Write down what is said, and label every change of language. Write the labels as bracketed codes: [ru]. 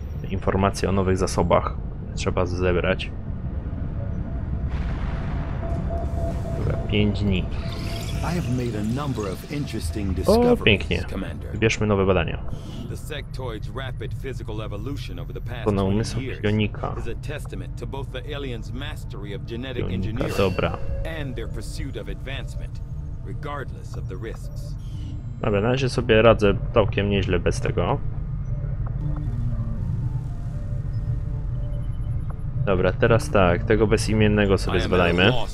[pl] Informacje o nowych zasobach trzeba zebrać. 5 dni. [en] I have made a number of interesting discoveries, Commander. [pl] Wybierzmy nowe badania. [en] The sectoid's rapid physical evolution over the past 20 years is a testament to both the aliens' mastery of genetic engineering and their pursuit of advancement, regardless of the risks. [pl] Dobra, na razie sobie radzę całkiem nieźle bez tego. Dobra, teraz tak, tego bezimiennego sobie zbadajmy.